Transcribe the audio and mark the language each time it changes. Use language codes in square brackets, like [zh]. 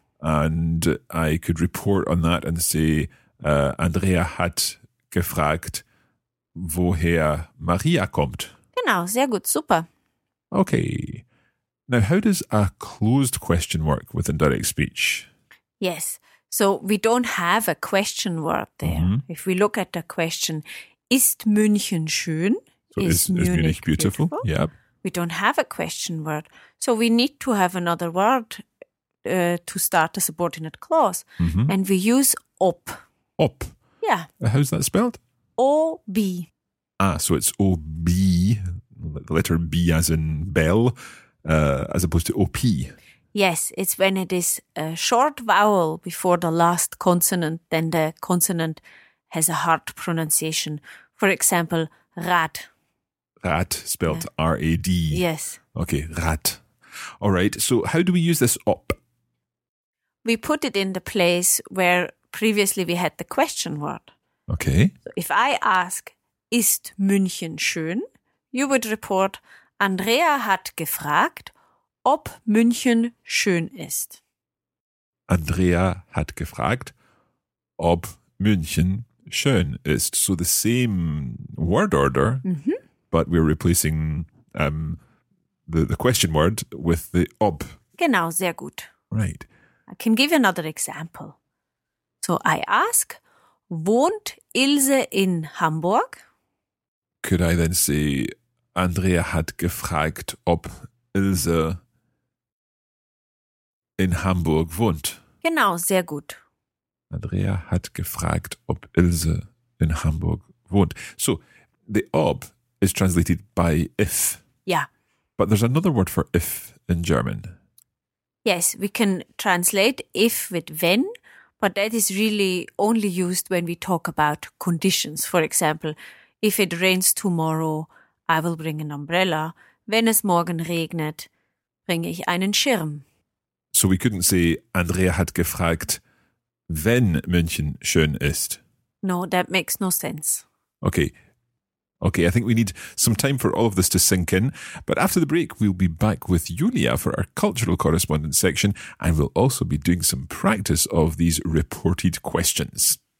[en] And I could report on that and say, [de] Andrea hat gefragt, woher Maria kommt. Genau, sehr gut, super. [en] Okay. Now, how does a closed question work with indirect speech? Yes. So we don't have a question word there. Mm-hmm. If we look at the question, [de] ist München schön? [en] So is Munich beautiful? Yeah. We don't have a question word. So we need to have another word to start a subordinate clause. Mm-hmm. And we use ob. [de] Ob. [en] Yeah. How's that spelled? O-B. Ah, so it's O-B, the letter B as in bell, as opposed to O-P. Yes, it's when it is a short vowel before the last consonant, then the consonant has a hard pronunciation. For example, rad. Rad, spelled R-A-D. Yes. Okay, rad. All right, so how do we use this op? We put it in the place where previously we had the question word. Okay. So if I ask, [de] ist München schön? [en] You would report, [de] Andrea hat gefragt, ob München schön ist. Andrea hat gefragt, ob München schön ist. [en] So the same word order, mm-hmm. but we're replacing the question word with the ob. [de] Genau, sehr gut. [en] Right. I can give you another example. So I ask, [de] wohnt Ilse in Hamburg? [en] Could I then say, [de] Andrea hat gefragt, ob Ilse in Hamburg wohnt? Genau, sehr gut. Andrea hat gefragt, ob Ilse in Hamburg wohnt. [en] So the ob is translated by if. Yeah. But there's another word for if in German. Yes, we can translate if with wenn, but that is really only used when we talk about conditions. For example, if it rains tomorrow, I will bring an umbrella. [de] Wenn es morgen regnet, bringe ich einen Schirm. [en] So we couldn't say, [de] Andrea hat gefragt, wenn München schön ist. [en] No, that makes no sense. Okay, I think we need some time for all of this to sink in. But after the break, we'll be back with Julia for our cultural correspondence section, and we'll also be doing some practice of these reported questions.